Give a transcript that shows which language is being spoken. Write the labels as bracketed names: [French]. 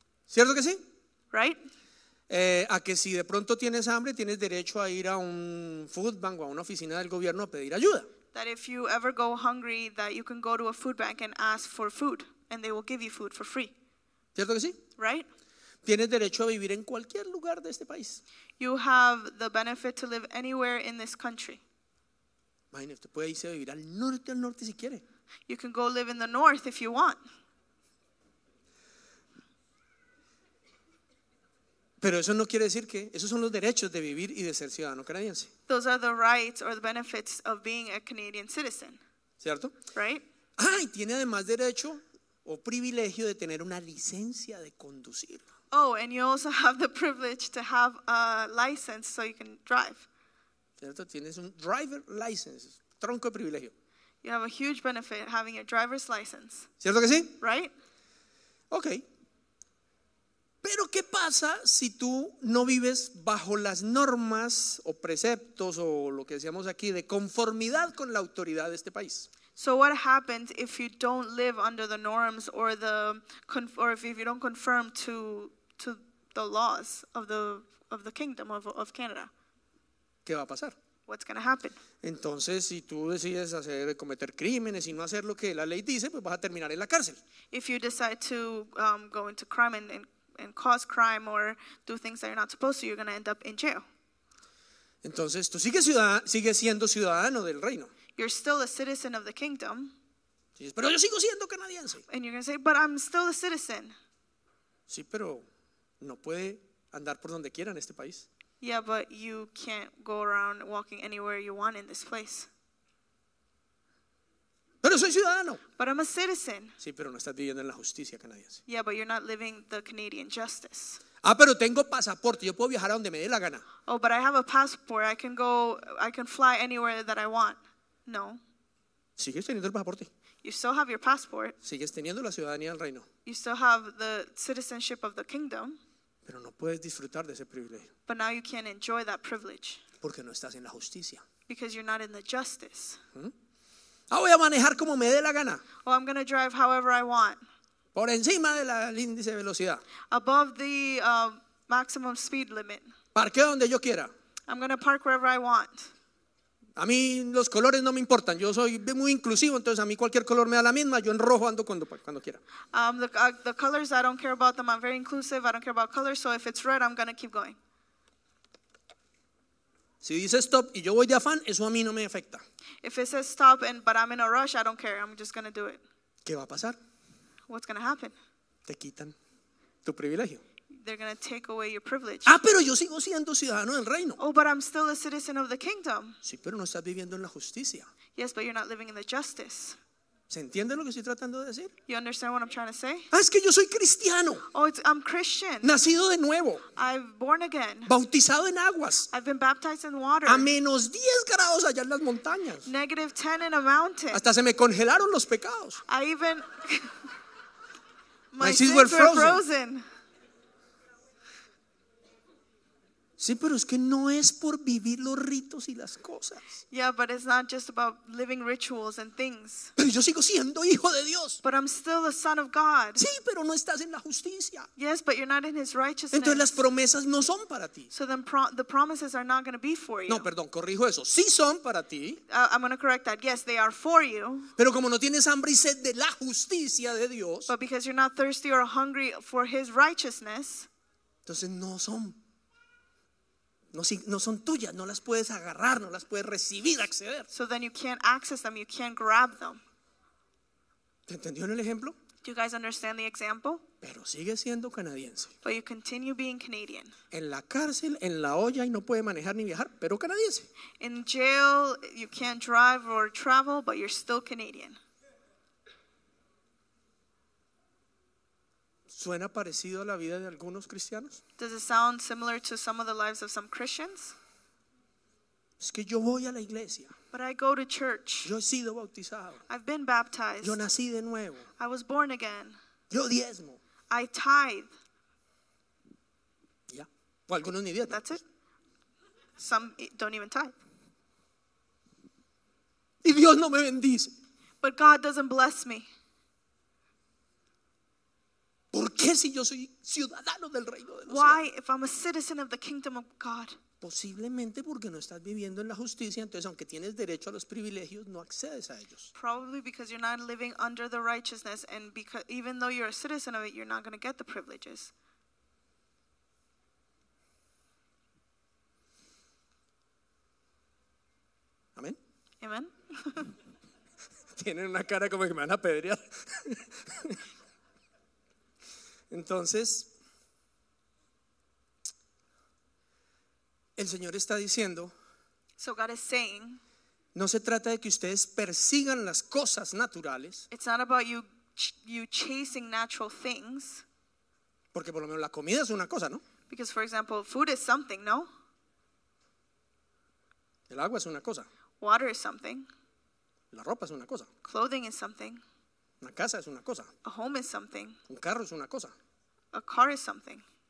[Spanish] ¿Cierto que sí? [English] Right? [Spanish] A que si de pronto tienes hambre, tienes derecho a ir a un food bank o a una oficina del gobierno a pedir ayuda. [English] That if you ever go hungry, that you can go to a food bank and ask for food, and they will give you food for free. [Spanish] ¿Cierto que sí? [English] Right? [Spanish] Tienes derecho a vivir en cualquier lugar de este país. [English] You have the benefit to live anywhere in this country. [Spanish] Imagínate, usted puede irse a vivir al norte si quiere. [English] You can go live in the north if you want. [Spanish] Pero eso no quiere decir que esos son los derechos de vivir y de ser ciudadano canadiense. [English] Those are the rights or the benefits of being a Canadian citizen. [Spanish] ¿Cierto? [English] Right? [Spanish] Ay, tiene además derecho o privilegio de tener una licencia de conducir. [English] Oh, and you also have the privilege to have a license so you can drive. [Spanish] ¿Cierto? Tienes un driver license, tronco de privilegio. [English] You have a huge benefit having a driver's license. [Spanish] ¿Cierto que sí? [English] Right? Okay. [Spanish] Pero ¿qué pasa si tú no vives bajo las normas o preceptos o lo que decíamos aquí de conformidad con la autoridad de este país? [English] So what happens if you don't live under the norms or the or if you don't conform to the laws of the kingdom of Canada? [Spanish] ¿Qué va a pasar? [English] What's going to happen? [Spanish] Entonces, si tú decides hacer cometer crímenes y no hacer lo que la ley dice, pues vas a terminar en la cárcel. [English] If you decide to go into crime and cause crime or do things that you're not supposed to, you're going to end up in jail. [Spanish] Entonces, tú sigues siendo ciudadano del reino. [English] You're still a citizen of the kingdom. [Spanish] Dices, pero yo sigo siendo canadiense. [English] And you're going to say, but I'm still a citizen. [Spanish] Sí, pero no puede andar por donde quiera en este país. [English] Yeah, but you can't go around walking anywhere you want in this place. [Spanish] Pero soy ciudadano. [English] But I'm a citizen. [Spanish] Sí, pero no estás viviendo en la justicia canadiense. [English] Yeah, but you're not living the Canadian justice. [Spanish] Ah, pero tengo pasaporte, yo puedo viajar a donde me dé la gana. [English] Oh, but I have a passport, I can go, I can fly anywhere that I want. [Spanish] No. Sigues teniendo el pasaporte. [English] You still have your passport. [Spanish] Sigues teniendo la ciudadanía del reino. [English] You still have the citizenship of the kingdom. [Spanish] Pero no puedes disfrutar de ese privilegio. [English] But now you can't enjoy that privilege. [Spanish] Porque no estás en la justicia. [English] Because you're not in the justice. [Spanish] Ah, voy a manejar como me dé la gana. [English] Oh, I'm going to drive however I want. [Spanish] Por encima de la índice de velocidad. [English] Above the maximum speed limit. [Spanish] Parque donde yo quiera. [English] I'm going to park wherever I want. [Spanish] A mí los colores no me importan. Yo soy muy inclusivo, entonces a mí cualquier color me da la misma. Yo en rojo ando cuando quiera. [English] The colors, I don't care about them. I'm very inclusive. I don't care about colors. So if it's red, I'm going to keep going. [Spanish] Si dice stop y yo voy de afán, eso a mí no me afecta. [English] If it says stop and but I'm in a rush, I don't care. I'm just going to do it. [Spanish] ¿Qué va a pasar? [English] What's going to happen? [Spanish] Te quitan tu privilegio. [English] They're going to take away your privilege. [Spanish] Ah, pero yo sigo siendo ciudadano del reino. [English] Oh, but I'm still a citizen of the kingdom. [Spanish] Sí, pero no estás viviendo en la justicia. [English] Yes, but you're not living in the justice. [Spanish] ¿Se entiende lo que estoy tratando de decir? [English] You understand what I'm trying to say? [Spanish] Ah, es que yo soy cristiano. [English] Oh, I'm Christian. [Spanish] Nacido de nuevo. [English] I'm born again. [Spanish] Bautizado en aguas. [English] I've been baptized in water. [Spanish] A menos 10 grados allá en las montañas. [English] Negative 10 in a mountain. [Spanish] Hasta se me congelaron los pecados. [English] I even... My sins were frozen. [Spanish] Sí, pero es que no es por vivir los ritos y las cosas. [English] Yeah, but it's not just about living rituals and things. [Spanish] Pero yo sigo siendo hijo de Dios. [English] But I'm still a son of God. [Spanish] Sí, pero no estás en la justicia. [English] Yes, but you're not in his righteousness. [Spanish] Entonces las promesas no son para ti. [English] So then the promises are not going to be for you. [Spanish] No, perdón, corrijo eso. Sí son para ti. [English] I'm going to correct that. Yes, they are for you. [Spanish] Pero como no tienes hambre y sed de la justicia de Dios. [English] But because you're not thirsty or hungry for his righteousness. [Spanish] Entonces no son. No son tuyas, no las puedes agarrar, no las puedes recibir, acceder. [English] So then you can't access them, you can't grab them. [Spanish] ¿Te entendió en el ejemplo? [English] Do you guys understand the example? [Spanish] Pero sigue siendo canadiense. [English] But you continue being Canadian. [Spanish] En la cárcel, en la olla, y no puede manejar ni viajar, pero canadiense. [English] In jail, you can't drive or travel, but you're still Canadian. [Spanish] ¿Suena parecido a la vida de algunos cristianos? [English] Does it sound similar to some of the lives of some Christians? [Spanish] Es que yo voy a la iglesia. [English] But I go to church. [Spanish] Yo he sido bautizado. [English] I've been baptized. [Spanish] Yo nací de nuevo. [English] I was born again. [Spanish] Yo diezmo. [English] I tithe. [Spanish] Ya. [English] Yeah. [Spanish] O algunos ni diezmo. [English] That's it. Some don't even tithe. [Spanish] Y Dios no me bendice. [English] But God doesn't bless me. [Spanish] ¿Por qué si yo soy ciudadano del reino de los cielos? [English] Why if I'm a citizen of the kingdom of God? [Spanish] Posiblemente porque no estás viviendo en la justicia, entonces aunque tienes derecho a los privilegios, no accedes a ellos. [English] Probably because you're not living under the righteousness, and because even though you're a citizen of it, you're not going to get the privileges. [Spanish] Amén. [English] Amen. [Spanish] Tienen una cara como que me van a apedrear. Entonces, el Señor está diciendo, [English] so God is saying, [Spanish] no se trata de que ustedes persigan las cosas naturales. [English] It's not about you chasing natural things. [Spanish] Porque por lo menos la comida es una cosa, ¿no? [English] Because for example, food is something, [Spanish] ¿no? El agua es una cosa. [English] Water is something. [Spanish] La ropa es una cosa. [English] Clothing is something. [Spanish] Una casa es una cosa. [English] A home is something. [Spanish] Un carro es una cosa. [English] A car is something.